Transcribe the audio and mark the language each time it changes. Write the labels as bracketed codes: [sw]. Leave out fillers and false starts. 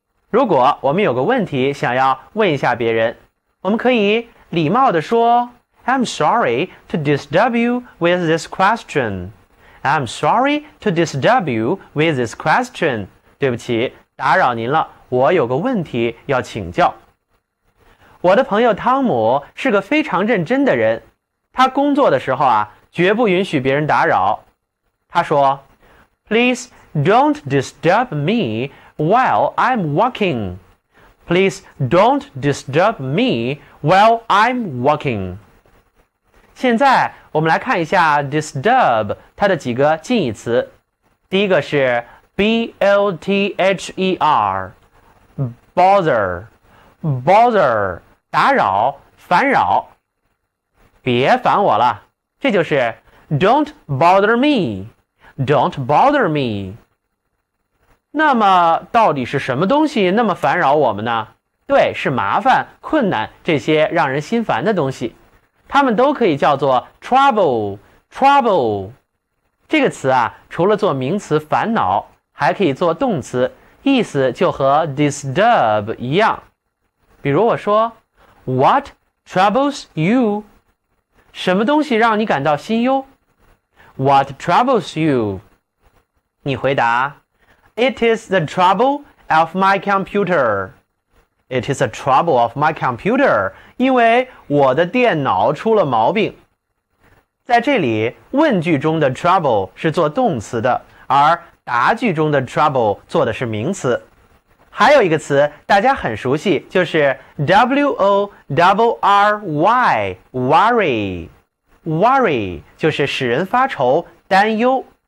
[zh] 如果我们有个问题想要问一下别人，我们可以礼貌地说 [en] I'm sorry to disturb you with this question， [zh] I'm sorry to disturb you with this question， 对不起打扰您了，我有个问题要请教。我的朋友汤姆是个非常认真的人，他工作的时候啊，绝不允许别人打扰。 [en] 他说 Please don't disturb me while I'm walking. Please don't disturb me while I'm walking. [zh] 现在我们来看一下 disturb 它的几个近义词。第一个是 b-l-t-h-e-r， bother， bother，打扰、烦扰，别烦我了，这就是 [en] Don't bother me， [zh] Don't bother me。那么到底是什么东西那么烦扰我们呢？对，是麻烦、困难，这些让人心烦的东西，它们都可以叫做 Trouble， Trouble。这个词啊，除了做名词烦恼，还可以做动词，意思就和 disturb 一样。比如我说 [en] What troubles you? [zh] 什么东西让你感到心忧？ [en] What troubles you? [zh] 你回答 [en] It is the trouble of my computer. It is the trouble of my computer. [zh] 因为我的电脑出了毛病。在这里，问句中的 trouble 是做动词的，而答句中的 trouble 做的是名词。还有一个词大家很熟悉，就是 W-O-R-R-Y， worry， worry 就是使人发愁、担忧。